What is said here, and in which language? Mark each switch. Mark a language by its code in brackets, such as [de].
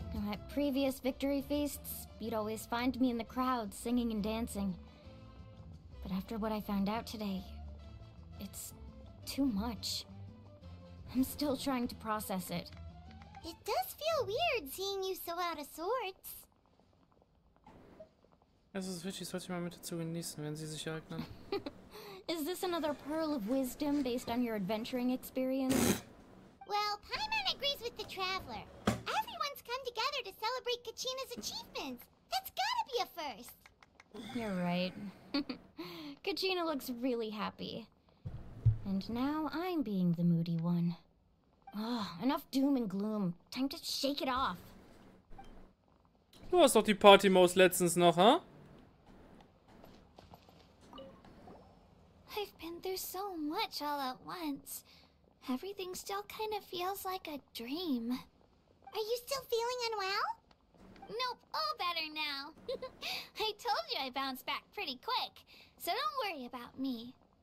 [en] At previous victory feasts, you'd always find me in the crowd singing and dancing. But after what I found out today, it's too much. I'm still trying to process it. It does feel weird seeing you so out of sorts. [de] Es ist wichtig, solche Momente zu genießen, wenn sie sich ereignen. [en] Is this another pearl of wisdom based on your adventuring experience? Well, Paimon agrees with the Traveler. Everyone's come together to celebrate Kachina's achievements. That's gotta be a first. You're right. Kachina looks really happy. And now I'm being the moody one. Oh, enough doom and gloom. Time to shake it off. [de] Du hast doch die Party-Maus letztens noch, huh? [en] I've been through so much all at once. Everything still kind of feels like a dream. Are you still feeling unwell? Nope, all better now. I told you I bounced back pretty quick, so don't worry about me.